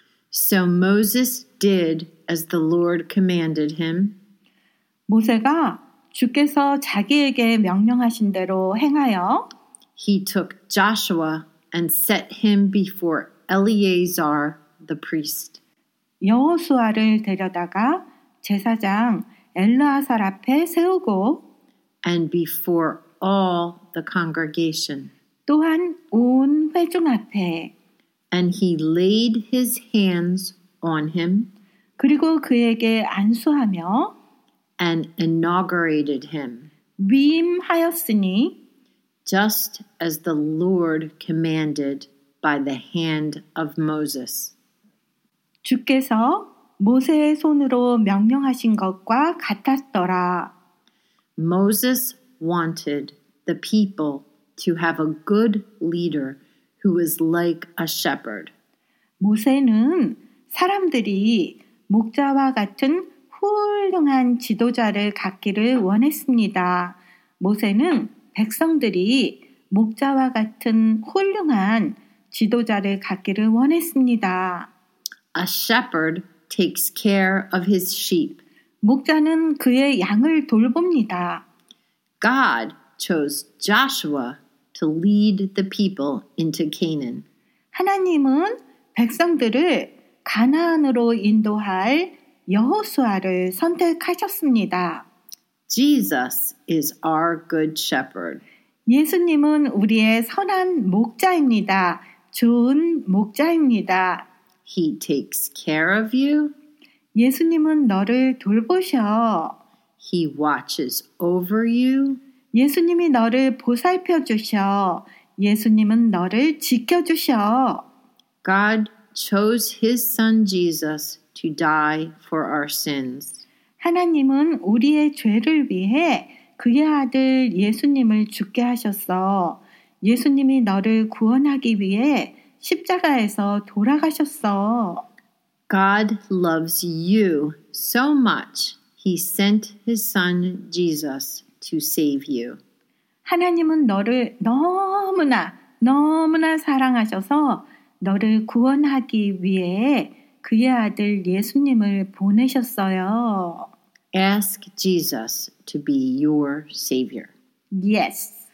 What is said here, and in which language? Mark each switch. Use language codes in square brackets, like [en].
[en] So Moses did as the Lord commanded him. [ko] 모세가 주께서 자기에게 명령하신 대로 행하여 [en] He took Joshua and set him before Eleazar the priest. [ko] 여호수아를 데려다가 제사장 엘르아살 앞에 세우고 [en] And before all the congregation. [ko] 또한 온 회중 앞에 [en] And he laid his hands on him. [ko] 그리고 그에게 안수하며 [en] And inaugurated him. [ko] 위임하였으니 [en] Just as the Lord commanded by the hand of Moses. [ko] 주께서 모세의 손으로 명령하신 것과 같았더라. [en] Moses wanted the people to have a good leader who was like a shepherd. [ko] 모세는 사람들이 목자와 같은 훌륭한 지도자를 갖기를 원했습니다. 모세는 백성들이 목자와 같은 훌륭한 지도자를 갖기를 원했습니다. [en] A shepherd takes care of his sheep. [ko] 목자는 그의 양을 돌봅니다. [en] God chose Joshua to lead the people into Canaan. [ko] 하나님은 백성들을 가나안으로 인도할 여호수아를 선택하셨습니다. [en] Jesus is our good shepherd. [ko] 예수님은 우리의 선한 목자입니다. 좋은 목자입니다. [en] He takes care of you. [ko] 예수님은 너를 돌보셔. [en] He watches over you. [ko] 예수님이 너를 보살펴 주셔. 예수님은 너를 지켜 주셔. [en] God chose his son Jesus to die for our sins. [ko] 하나님은 우리의 죄를 위해 그의 아들 예수님을 죽게 하셨어. 예수님이 너를 구원하기 위해 십자가에서 돌아가셨어. [en] God loves you so much, he sent his son Jesus to save you. [ko] 하나님은 너를 너무나 너무나 사랑하셔서 너를 구원하기 위해 그의 아들 예수님을 보내셨어요. [en] Ask Jesus to be your Savior. Yes.